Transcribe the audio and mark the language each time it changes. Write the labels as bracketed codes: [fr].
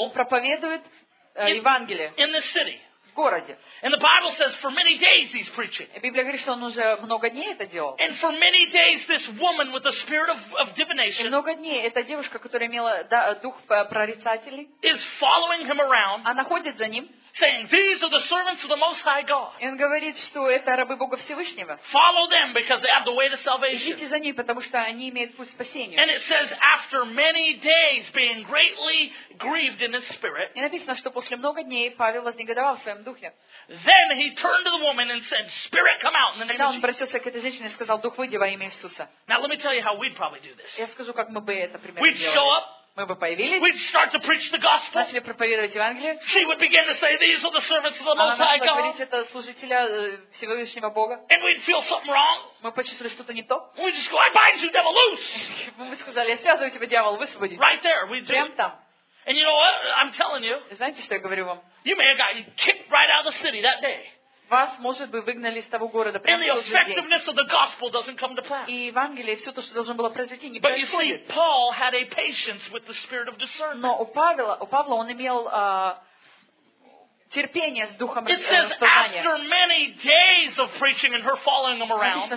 [ru] Он проповедует Евангелие. [en] In the city. [ru] В городе. [en] And the Bible says for many days he's preaching. [ru] Библия говорит, что он уже много дней это делал. [en] And for many days this woman with the spirit of divination. [ru] И много дней эта девушка, которая имела дух прорицателей. [en] Is following him around. [ru] Она ходит за ним. [en] Saying, "These are the servants of the Most High God." [ru] И он говорит, что это рабы Бога Всевышнего. [en] Follow them because they have the way to salvation. [ru] Идите за ними, потому что они имеют путь спасения. [en] And it says, after many days, being greatly grieved in his spirit. [ru] И написано, что после много дней Павел вознегодовал в своем духе. [en] Then he turned to the woman and said, "Spirit, come out in the name of Jesus." [ru] Он обратился к этой женщине и сказал: "Дух, выйди во имя Иисуса." [en] Now let me tell you how we'd probably do this. [ru] Я скажу, как мы бы это примерно делали. [en] We'd show up. [ru] Мы бы появились. [en] We'd start to preach the gospel. [ru] Начали проповедовать Евангелие. [en] She would begin to say, "These are the servants of the Most High God." [ru] Она начала говорить, это служителя Всевышнего Бога. [en] And we'd feel something wrong. [ru] Мы почувствовали что-то не то. [en] We'd just go, "I bind you, devil, loose." [ru] Мы сказали: "Я связываю тебя, дьявол, высвободи." [en] Right there, we'd do. [ru] Прям там. [en] And you know what? I'm telling you. [ru] Знаете, что я говорю вам? [en] You may have gotten kicked right out of the city that day. [ru] Вас, может быть, выгнали из того города прямо в тот же день. И Евангелие, все то, что должно было произойти, не происходит. Но у Павла он имел терпение с духом распознания. Написано,